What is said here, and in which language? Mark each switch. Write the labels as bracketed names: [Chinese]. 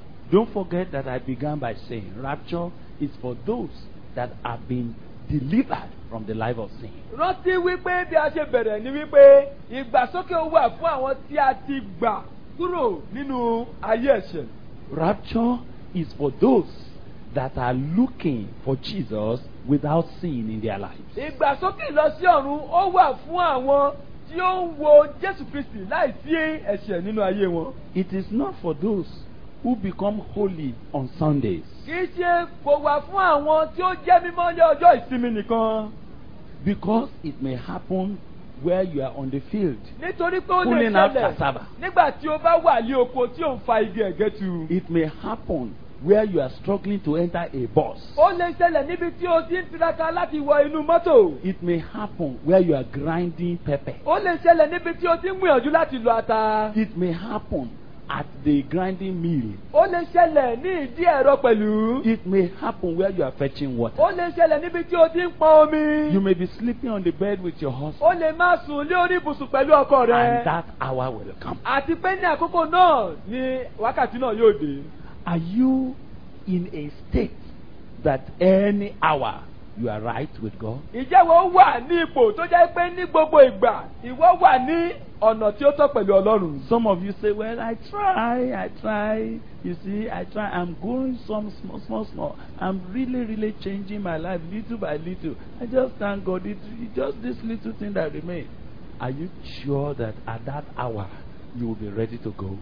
[English] Don't forget that I began by saying rapture is for those that have been delivered from the life of sin. [Yoruba] Rántí wípé bí a ṣe bẹ̀rẹ̀ ni wípé ìgbàsókè ó wà fún àwọn tí a ti gbà kúrò nínú ayé ẹ̀ṣẹ̀. [English] Rapture is for those that are looking for Jesus without sin in their lives. [Yoruba] Ìgbàsókè lọ sí ọ̀run ó wà fún àwọn tí ó ń wo Jesu Kristi láì sí ẹ̀ṣẹ̀ nínú ayé wọn. [English] It is not for those who become holy on Sundays. [Yoruba] Kì í ṣe kò wà fún àwọn tí ó jẹ́ mímọ́ ní ọjọ́ ìsinmi nìkan. [English] Because it may happen where you are on the field. [Yoruba] Nítorí pé ó lè ṣẹlẹ̀ nígbà tí o bá wà ní oko tí ò ń fa igi ẹ̀gẹ́ tu. [English] It may happen where you are struggling to enter a bus. [Yoruba] Ó lè ṣẹlẹ̀ níbi tí o ti ń tiraka láti wọ inú mọ́tò. [English] It may happen where you are grinding pepper. [Yoruba] Ó lè ṣẹlẹ̀ níbi tí o ti ń gbìyànjú láti lo ata. [English] It may happen at the grinding mill. [Yoruba] Ó lè ṣẹlẹ̀ ní ìdí ẹ̀rọ pẹ̀lú. [English] It may happen where you are fetching water. [Yoruba] Ó lè ṣẹlẹ̀ níbi tí o ti ń pọn omi. [English] You may be sleeping on the bed with your husband. [Yoruba] Ó lè má sùn lórí ibùsùn pẹ̀lú ọkọ rẹ. [English] And that hour will come. [Yoruba] Àti pé ní àkókò náà ni wákàtí náà yóò dé. [English] Are you in a state that any hour you are right with God? [Yoruba] Ǹjẹ́ ìwọ wà ní ipò tó jẹ́ pé ní gbogbo ìgbà ìwọ wà ní ọ̀nà tí ó tọ́ pẹ̀lú Ọlọ́run? [English] Some of you say, well, I try, you see, I try, I'm going some small, I'm really changing my life little by little. I just thank God, it's just this little thing that remains. Are you sure that at that hour you will be ready to go?